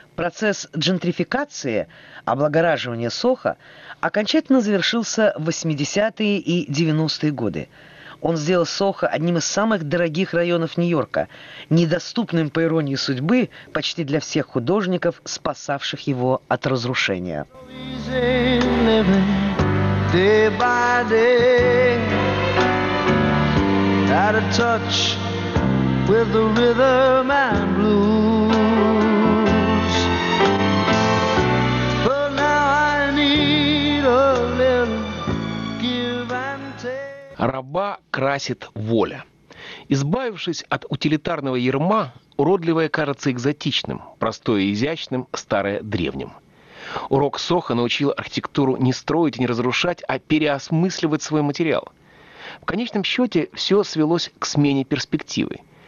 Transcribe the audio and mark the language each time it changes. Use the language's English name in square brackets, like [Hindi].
[Russian] Процесс джентрификации, облагораживания Сохо, окончательно завершился в 80-е и 90-е годы. Он сделал Сохо одним из самых дорогих районов Нью-Йорка, недоступным, по иронии судьбы, почти для всех художников, спасавших его от разрушения. [English] Day by day, out of touch with the rhythm and blues. But now I need a little give and take. [Russian] Раба красит воля. Избавившись от утилитарного ярма, уродливое кажется экзотичным, простое и изящным, старое древним. Урок Сохо научил архитектуру не строить и не разрушать, а переосмысливать свой материал. В конечном счете все свелось к смене перспективы.